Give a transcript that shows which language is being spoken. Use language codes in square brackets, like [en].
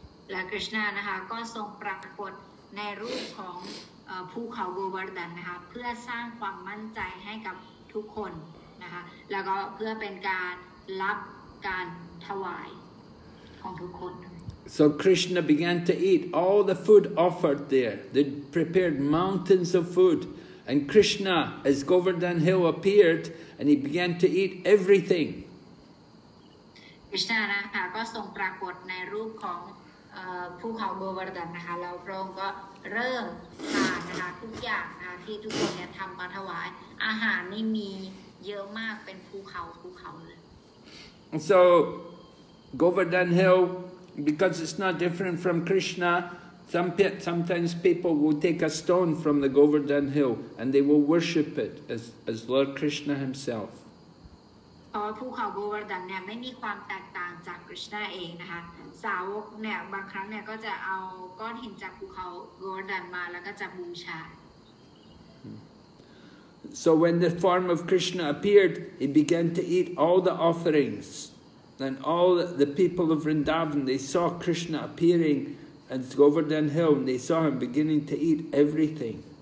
[th] และ Krishna นะคะก็ทรงปรากฏในรูปของภูเขา Govardhan นะคะเพื่อสร้างความมั่นใจให้กับทุกคนนะคะแล้วก็เพื่อเป็นการรับการถวายของทุกคน [en] So Krishna began to eat all the food offered there they prepared mountains of food and Krishna as Govardhan Hill appeared and he began to eat everything [th] Krishna นะคะก็ทรงปรากฏในรูปของภูเขา Govardhan นะคะแล้วพระองค์ก็เริ่มทานนะคะทุกอย่างนะคะที่ทุกคนเนี่ยทำมาถวายอาหารนี่มีเยอะมากเป็นภูเขาภูเขาเลย [en] So Govardhan Hill because it's not different from Krishna sometimes people will take a stone from the Govardhan Hill and they will worship it as Lord Krishna himself [th] เพราะภูเขาโกวาร์ดานเนี่ยไม่มีความแตกต่างจากคริสต์นาเองนะคะสาวกเนี่ยบางครั้งเนี่ยก็จะเอาก้อนหินจากภูเขาโกวาร์ดานมาแล้วก็จะบูชา [en] So when the form of Krishna appeared, he began to eat all the offerings. And all the people of Vrindavan, they saw Krishna appearing at Govardhan Hill, and they saw him beginning to eat everything.